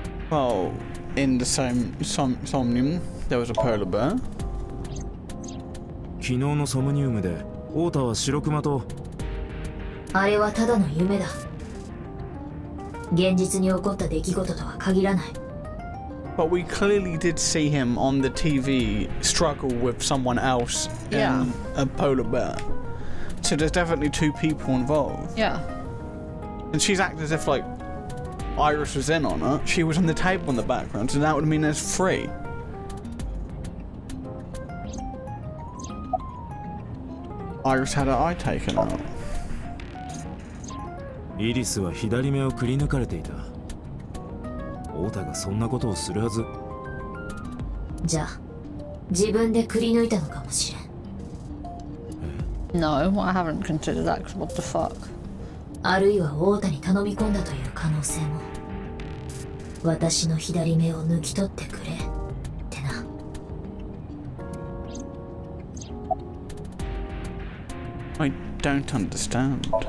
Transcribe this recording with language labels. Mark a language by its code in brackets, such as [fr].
[en] Well, in the same Somnium, there was a polar bear. [ja] 昨日のソムニウムで、オータは白熊と。あれはただの夢だ。現実に起こった出来事とは限らない。 [en] But we clearly did see him on the TV struggle with someone else in a polar bear. So there's definitely two people involved. Yeah. And she's acting as if, like, Iris was in on it. She was on the table in the background, so that would mean there's three. Iris had her eye taken out. [ja] Iris は左目をくり抜かれていた。オータがそんなことをするはず。じゃあ、自分でくり抜いたのかもしれん。 [en] No, I haven't considered that, because what the fuck? [ja] あるいはオータに頼み込んだという可能性も。私の左目を抜き取ってくれ、ってな。 [en] I don't understand.